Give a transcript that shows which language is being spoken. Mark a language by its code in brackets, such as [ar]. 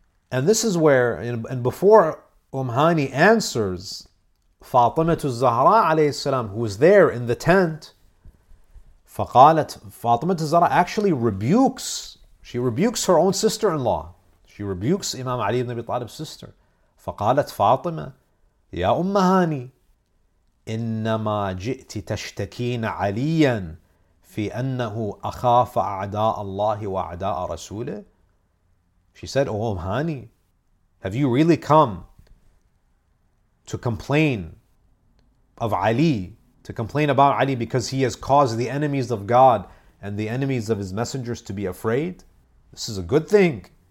[en] And this is where, and before Umhani answers, Fatimah al-Zahra alayhi salam, who was there in the tent, [ar] فقالت, [en] Fatimah al-Zahra actually rebukes, she rebukes her own sister-in-law. She rebukes Imam Ali ibn Abi Talib's sister. [ar] فقالت فاطمة يا أمهاني إنما جئت تشتكين عليا في أنه أخاف أعداء الله وأعداء رسوله. [en] She said, oh Umhani, have you really come to complain of Ali, to complain about Ali because he has caused the enemies of God and the enemies of his messengers to be afraid? This is a good thing.